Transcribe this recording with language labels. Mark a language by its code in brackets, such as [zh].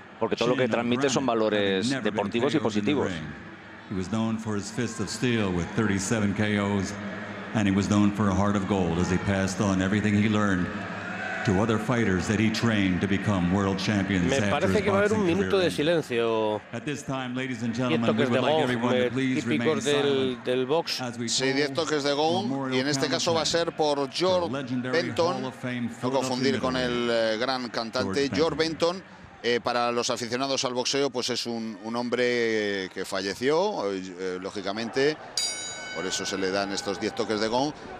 [es] Porque todo lo que transmite son valores deportivos y positivos. [en] He was known for his fist of steel with 37 KOs, and he was known for a heart of gold as he passed on everything he learned to other fighters that he trained to become world champions. [es] Me parece que va a haber un minuto de silencio. [en] At this time, ladies and gentlemen, we would like everyone to please remain silent. [es] Del box. Sí, 10 toques de gong, y en este caso va a ser por George Benton, no confundir con el gran cantante George Benton. Para los aficionados al boxeo, pues es un hombre que falleció, lógicamente, por eso se le dan estos 10 toques de gong.